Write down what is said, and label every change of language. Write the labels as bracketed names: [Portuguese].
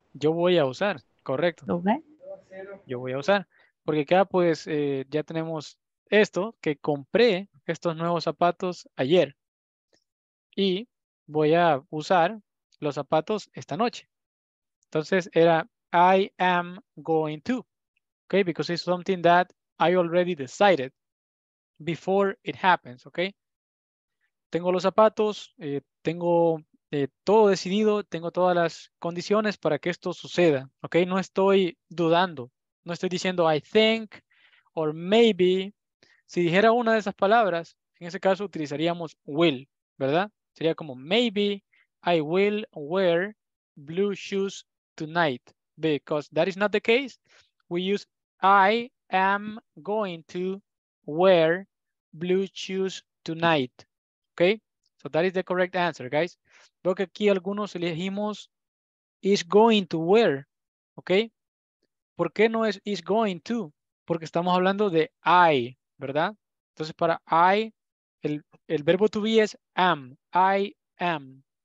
[Spanish] Yo voy a usar, correcto. Okay. Yo voy a usar. Porque acá pues ya tenemos esto, que compré estos nuevos zapatos ayer. Y voy a usar los zapatos esta noche. Entonces era, [English] I am going to. Okay, because it's something that I already decided before it happens, okay? [Spanish] Tengo los zapatos, tengo todo decidido, tengo todas las condiciones para que esto suceda, okay? No estoy dudando, no estoy diciendo [English] I think or maybe. [Spanish] Si dijera una de esas palabras, en ese caso utilizaríamos will, ¿verdad? Sería como [English] maybe I will wear blue shoes tonight. Because that is not the case, we use I am going to wear blue shoes tonight. Okay, so that is the correct answer, guys. [Spanish] Veo que aquí algunos elegimos is going to wear. Okay, ¿por qué no es is going to? Porque estamos hablando de I, ¿verdad? Entonces para I, el verbo to be es am, I am.